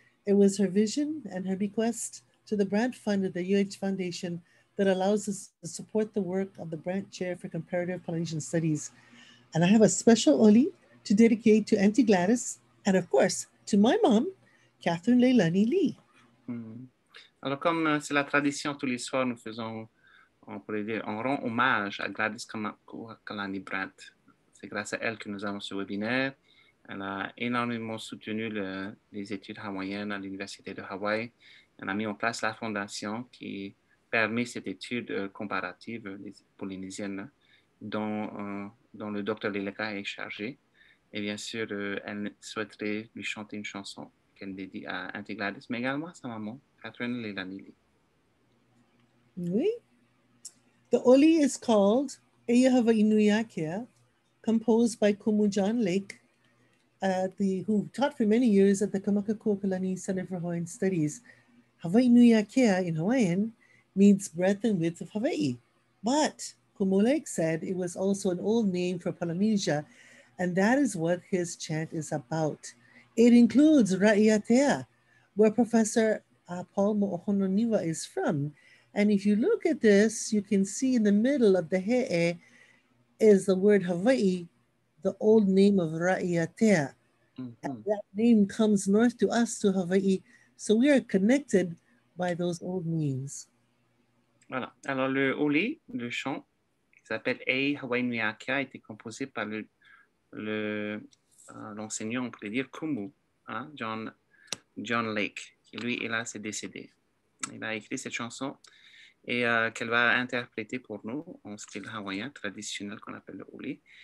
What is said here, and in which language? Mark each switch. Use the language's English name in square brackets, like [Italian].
[English] It was her vision and her bequest to the Brandt Fund of the UH Foundation that allows us to support the work of the Brandt Chair for Comparative Polynesian Studies. And I have a special oli to dedicate to Auntie Gladys, and of course, to my mom, Catherine Leilani Lee. [French] Alors comme c'est la tradition tous les soirs, nous faisons, on pourrait dire, on rend hommage à Gladys Kalani Brandt. C'est grâce à elle que nous avons ce webinaire. Elle a énormément soutenu les études hawaïennes à l'Université de Hawaï. Elle a mis en place la fondation qui permet cette étude comparative polynésienne dont le docteur Lilika est chargé. Et bien sûr, elle souhaiterait lui chanter une chanson qu'elle dédie à Auntie Gladys, mais également à sa maman, Catherine Leilani-Li. Oui. [English] The Oli is called Eyehava Inuyakea, composed by Kumu John Lake, who taught for many years at the Kamakakua Kalani Center for Hawaiian Studies. Hawaii Nuiakea in Hawaiian means breadth and width of Hawaii. But Kumu Lake said it was also an old name for Polynesia, and that is what his chant is about. It includes Raʻiātea, where Professor Paul Moʻohono Niva is from. And if you look at this, you can see in the middle of the he'e is the word Hawaii, the old name of Raʻiātea. Mm-hmm. And that name comes north to us, to Hawaii. So we are connected by those old names. [French] Voilà. Alors le Oli, le chant, qui s'appelle Ei Hawaii Nuiakea, a été composé par l'enseignant, on pourrait dire, Kumu, hein, John Lake, qui lui, hélas, est décédé. Il a écrit cette chanson et qu'elle va interpréter pour nous en style hawaïen traditionnel qu'on appelle le Oli.